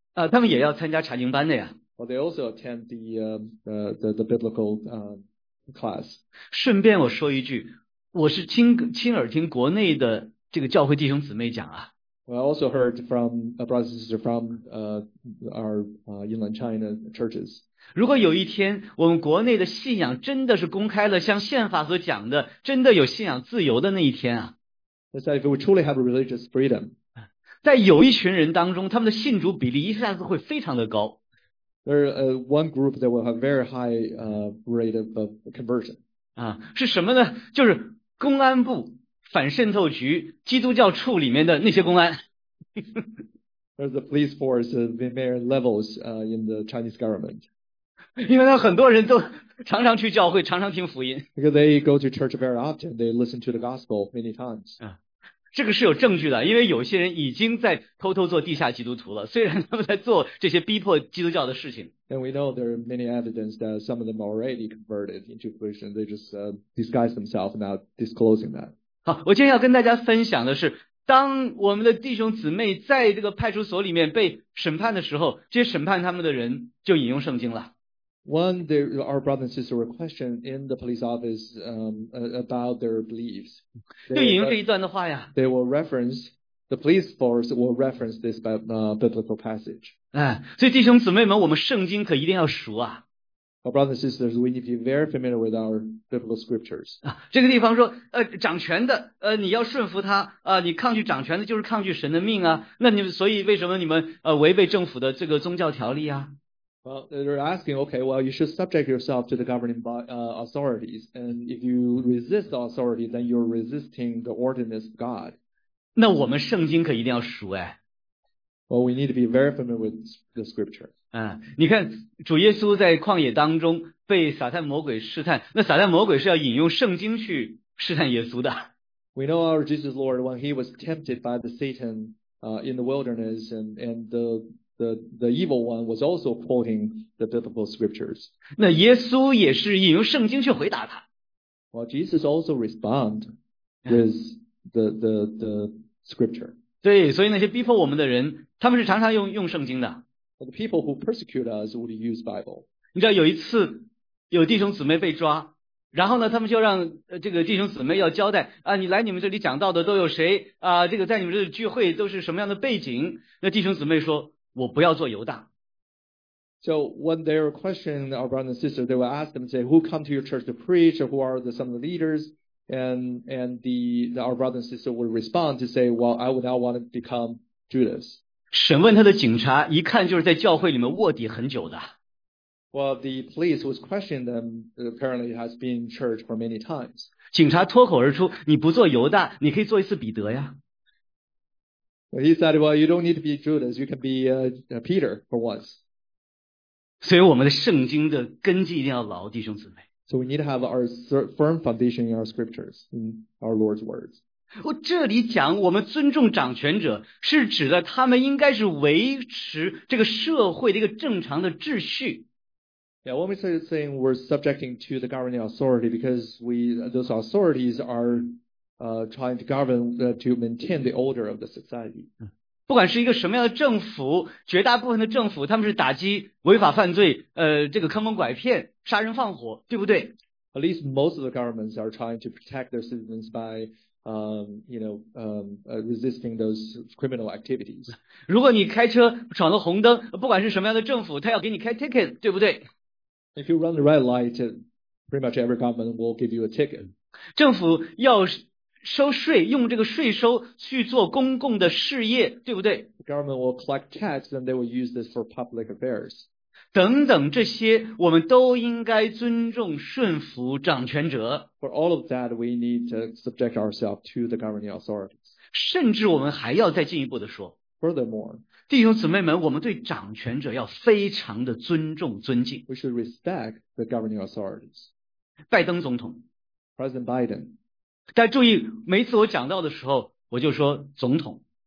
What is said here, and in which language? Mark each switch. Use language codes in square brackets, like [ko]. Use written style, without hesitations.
[zh] 啊，他们也要参加查经班的呀。 [en] Well, they also attend the biblical class. [zh] 顺便我说一句，我是亲耳听国内的这个教会弟兄姊妹讲啊。 [en] Well, I also heard from a brother and sister from our inland China churches. [zh] 如果有一天我们国内的信仰真的是公开了，像宪法所讲的，真的有信仰自由的那一天啊。 [en] They said if we truly have religious freedom. [zh] 在有一群人当中，他们的信主比例一下子会非常的高。 [en] There is one group that will have very high rate of conversion. [zh] 啊，是什么呢？就是公安部、反渗透局、基督教处里面的那些公安。 [en] There's the police force at various levels in the Chinese government. [zh] 因为他很多人都常常去教会，常常听福音。 [en] Because they go to church very often, they listen to the gospel many times. [zh] 啊，这个是有证据的，因为有些人已经在偷偷做地下基督徒了，虽然他们在做这些逼迫基督教的事情。 [en] And we know there are many evidence that some of them already converted into Christian. They just disguise themselves, not disclosing that. [zh] 好，我今天要跟大家分享的是，当我们的弟兄姊妹在这个派出所里面被审判的时候，这些审判他们的人就引用圣经了。 [en] One, our brother and sister were questioned in the police office about their beliefs. [zh] 就引用这一段的话呀。 [en] They will reference, the police force will reference this biblical passage. [zh] 所以弟兄姊妹们，我们圣经可一定要熟啊。 [en] Our brothers and sisters, we need to be very familiar with our biblical scriptures. [zh] 这个地方说，掌权的，你要顺服他，你抗拒掌权的，就是抗拒神的命啊。那你们，所以为什么你们违背政府的这个宗教条例啊？ [en] Well, they're asking, okay, well, you should subject yourself to the governing authorities, and if you resist the authority, then you're resisting the ordinance of God. [zh] 那我们圣经可一定要熟哎。 [en] Well, we need to be very familiar with the scripture. [zh] 你看主耶稣在旷野当中被撒旦魔鬼试探，那撒旦魔鬼是要引用圣经去试探耶稣的。 [en] We know our Jesus Lord when he was tempted by the Satan in the wilderness and the evil one was also quoting the biblical scriptures. [zh] 那耶稣也是引用圣经去回答他。 [en] Well, Jesus also respond with the scripture. [zh] 对，所以那些逼迫我们的人，他们是常常用圣经的。 [en] The people who persecute us would use Bible. [zh] 你知道有一次有弟兄姊妹被抓，然后呢，他们就让这个弟兄姊妹要交代啊，你来你们这里讲道的都有谁啊？这个在你们这里聚会都是什么样的背景？那弟兄姊妹说，我不要做犹大。 [en] So when they were questioned, our brothers and sisters, they will ask them, say, who come to your church to preach, or who are some of the leaders? And our brothers and sisters would respond to say, well, I would not want to become Judas. [zh] 审问他的警察一看就是在教会里面卧底很久的。 [en] Well, the police who's questioning them apparently has been in church for many times. [zh] 警察脱口而出，你不做犹大，你可以做一次彼得呀。 [en] He said, well, you don't need to be Judas, you can be Peter for once. [zh] 所以我们的圣经的根基一定要牢，弟兄姊妹。 [en] So we need to have our firm foundation in our scriptures, in our Lord's words. [zh] 我这里讲我们尊重掌权者，是指的他们应该是维持这个社会的一个正常的秩序。 [en] Yeah, when we say saying we're subjecting to the governing authority, because we, those authorities are trying to govern to maintain the order of the society. [zh] 不管是一个什么样的政府，绝大部分的政府他们是打击违法犯罪，这个坑蒙拐骗、杀人放火，对不对？ [en] At least most of the governments are trying to protect their citizens by, resisting those criminal activities. [zh] 如果你开车闯了红灯，不管是什么样的政府，他要给你开 ticket， 对不对？ [en] If you run the red light, pretty much every government will give you a ticket. [zh] 政府要收税，用这个税收去做公共的事业，对不对？ [en] The government will collect tax and they will use this for public affairs. [zh] 等等这些，我们都应该尊重顺服掌权者。 [en] For all of that, we need to subject ourselves to the governing authorities. [zh] 甚至我们还要再进一步的说。 [en] Furthermore, [zh] 弟兄姊妹们，我们对掌权者要非常的尊重尊敬。 [en] We should respect the governing authorities. [zh] 拜登总统。 [en] President Biden. [zh] 大家注意，每次我讲到的时候，我就说总统。